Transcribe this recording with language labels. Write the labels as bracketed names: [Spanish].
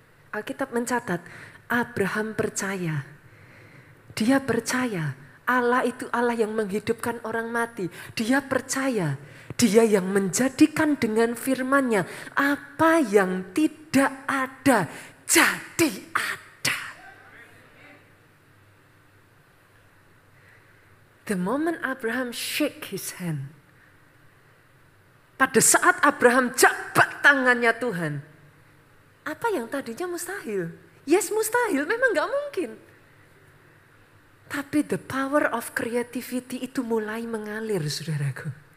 [Indonesian] Alkitab mencatat, Abraham percaya. Dia percaya. Allah itu Allah yang menghidupkan orang mati. Dia percaya. Dia yang menjadikan dengan firman-Nya apa yang tidak ada jadi ada. [English] The moment Abraham shake his hand. [Indonesian] Pada saat Abraham jabat tangannya Tuhan. Apa yang tadinya mustahil? Yes, mustahil, memang gak mungkin. Tapi [English] the power of creativity [Indonesian] itu mulai mengalir, saudaraku.